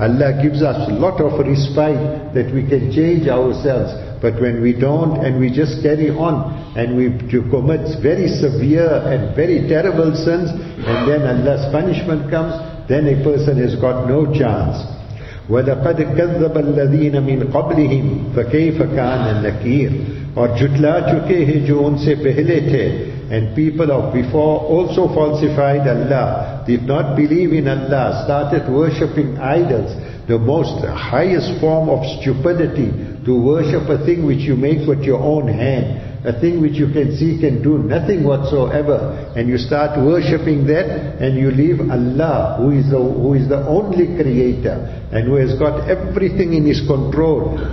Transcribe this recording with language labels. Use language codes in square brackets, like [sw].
[en] Allah gives us a lot of respite that we can change ourselves. But when we don't, and we just carry on, and we commit very severe and very terrible sins, and then Allah's punishment comes, then a person has got no chance. [ar] وَلَقَدْ كَذَّبَ الَّذِينَ مِنْ قَبْلِهِمْ فَكَيْفَ كَانَ النَّكِيرُ [ur] اور جُتلا چُکے ہیں جو ان سے پہلے تھے. [en] And people of before also falsified Allah, did not believe in Allah, started worshipping idols. The most highest form of stupidity, to worship a thing which you make with your own hand, a thing which you can see can do nothing whatsoever, and you start worshipping that, and you leave Allah, who is the only creator, and who has got everything in his control.